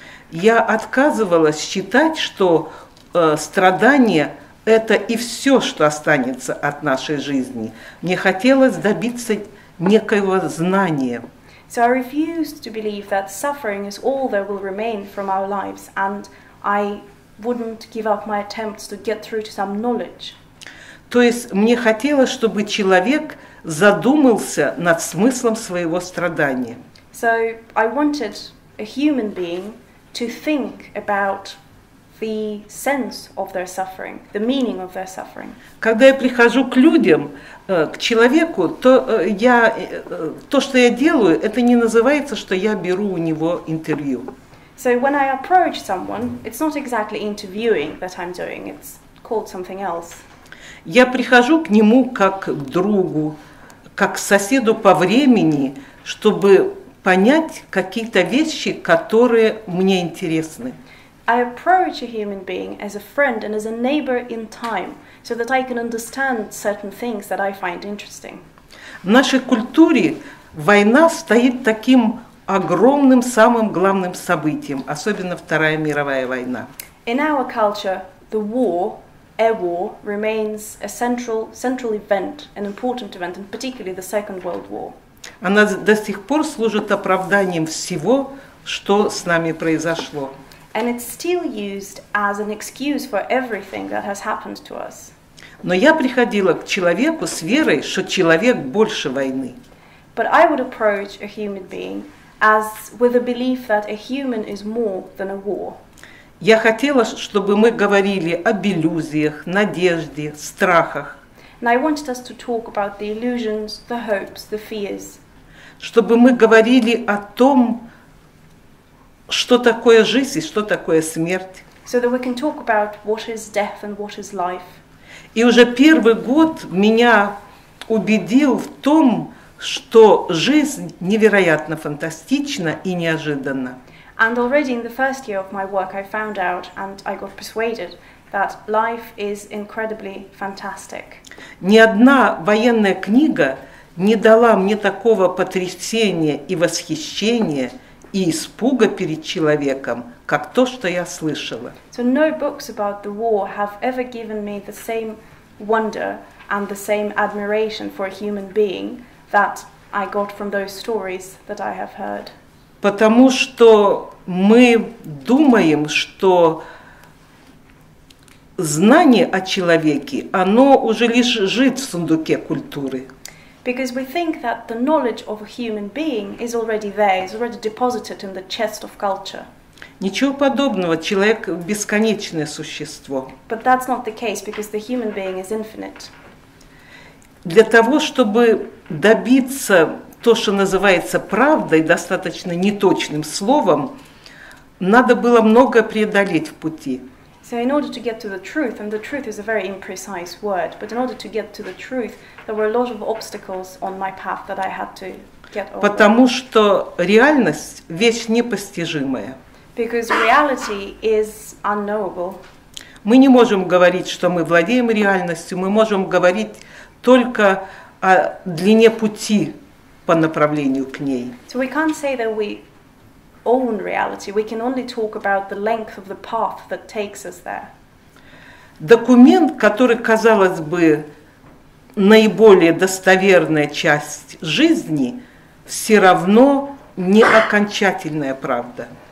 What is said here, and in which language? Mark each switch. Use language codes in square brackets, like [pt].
[ru] Я отказывалась считать, что страдание – это и все, что останется от нашей жизни. Мне хотелось добиться некоего знания. [en] So I refused to believe that suffering is all that will remain from our lives, and I wouldn't give up my attempts to get through to some knowledge. [ru] То есть мне хотелось, чтобы человек задумался над смыслом своего страдания. [en] So I wanted a human being to think about the sense of their suffering, the meaning of their suffering. [ru] Когда я прихожу к людям, к человеку, то я то, что я делаю, это не называется, что я беру у него интервью. [en] So when I approach someone, it's not exactly interviewing that I'm doing. It's called something else. [ru] Я прихожу к нему как к другу, как к соседу по времени, чтобы понять какие-то вещи, которые мне интересны. [en] I approach a human being as a friend and as a neighbor in time, so that I can understand certain things that I find interesting. [ru] В нашей культуре война стоит таким огромным, самым главным событием, особенно Вторая мировая война. [en] In our culture, the war, a war, remains a central event, an important event, and particularly the Second World War. [ru] Она до сих пор служит оправданием всего, что с нами произошло. [en] And it's still used as an excuse for everything that has happened to us. [ru] Но я приходила к человеку с верой, что человек больше войны. [en] But I would approach a human being as with a belief that a human is more than a war. [ru] Я хотела, чтобы мы говорили об иллюзиях, надежде, страхах. [en] And I wanted us to talk about the illusions, the hopes, the fears. [ru] Чтобы мы говорили о том, что такое жизнь и что такое смерть. [en] So that we can talk about what is death and what is life. [ru] И уже первый год меня убедил в том, что жизнь невероятно фантастична и неожиданна. [en] And already in the first year of my work I found out and I got persuaded that life is incredibly fantastic. [ru] Ни одна военная книга не дала мне такого потрясения и восхищения и испуга перед человеком, как то, что я слышала. [en] So no books about the war have ever given me the same wonder and the same admiration for a human being that I got from those stories that I have heard. [ru] потому что мы думаем, что знание о человеке, оно уже лежит в сундуке культуры. [en] Because we think that the knowledge of a human being is already there, is already deposited in the chest of culture. [ru] Ничего подобного, человек бесконечное существо. [en] But that's not the case, because the human being is infinite. [ru] Для того, чтобы добиться то, что называется правдой, достаточно неточным словом, надо было много преодолеть в пути. [en] So in order to get to the truth, and the truth is a very imprecise word, but in order to get to the truth, there were a lot of obstacles on my path that I had to get over. [ru] Потому что реальность – вещь непостижимая. [en] Because reality is unknowable. [ru] Мы не можем говорить, что мы владеем реальностью, мы можем говорить только о длине пути по направлению к ней. [en] So we can't say that we own reality. We can only talk about the length of the path that takes us there. [ru] Документ, который, казалось бы, наиболее достоверная часть жизни, все равно не окончательная правда.